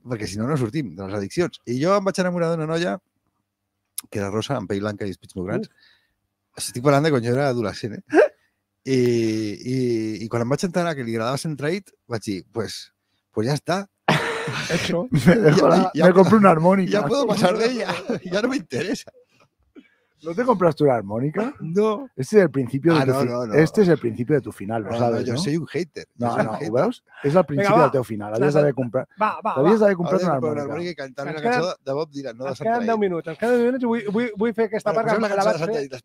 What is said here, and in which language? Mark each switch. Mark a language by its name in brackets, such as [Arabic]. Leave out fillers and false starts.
[Catalan] Perquè si no, no sortim de les addiccions. I jo em vaig enamorar d'una noia que era rosa, amb pell blanca i els pits molt grans. Estic parlant de quan jo era adolescent, eh? I quan em vaig enterar que li agradava Sant Traït, vaig dir, pues ja està. Això. [Spanish] Me compro una harmònica. Ja puedo pasar d'ella. [Catalan] Ja no m'interessa. [Spanish] ¿No te compraste una armónica? No. Este es el principio de este es el principio de tu final, lo sabes, ¿no? Soy un hater. [Catalan] No, ¿ho veus? És el principi del teu final. Havies d'haver comprat una armónica. Una armónica i cantar una cançó de Bob Dylan, no de Sant Traït. Ens queden 10 minuts. Ens queden 10 minuts i vull fer aquesta part. Posem la cançó de Sant Traït.